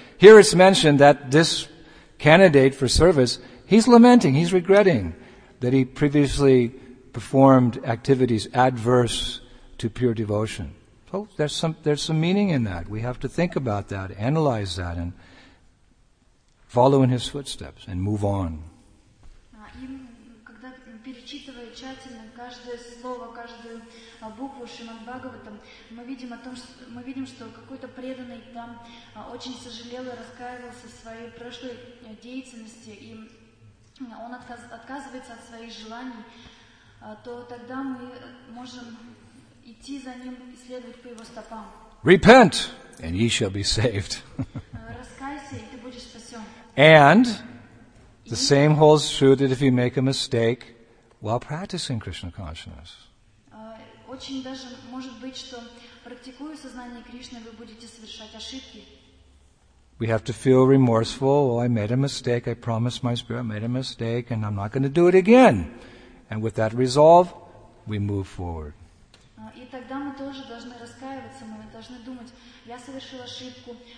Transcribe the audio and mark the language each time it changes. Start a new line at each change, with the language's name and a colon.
English: Here it's mentioned that this candidate for service, he's lamenting, he's regretting that he previously performed activities adverse to pure devotion. So there's some meaning in that. We have to think about that, analyze that, and follow in his footsteps and move on.
Russian: Когда перечитывая тщательно каждое слово, каждую букву Шримад Бхагаватам, мы видим, что какой-то преданный там очень сожалел и раскаивался в своей прошлой деятельности, и он отказывается от своих желаний, то тогда мы можем идти за ним и следовать по его стопам.
English: Repent, and ye shall be saved.
Russian: Раскайся, и ты будешь спасен.
English: And the same holds true that if you make a mistake while practicing Krishna consciousness.
Russian: Очень даже может быть, что практикуя сознание Кришны, вы будете совершать ошибки.
English: We have to feel remorseful. Oh, I made a mistake. I promised my spirit I made a mistake, and I'm not going to do it again. And with that resolve, we move forward.
Russian: И тогда мы тоже должны раскаиваться. Мы должны думать: я совершил ошибку.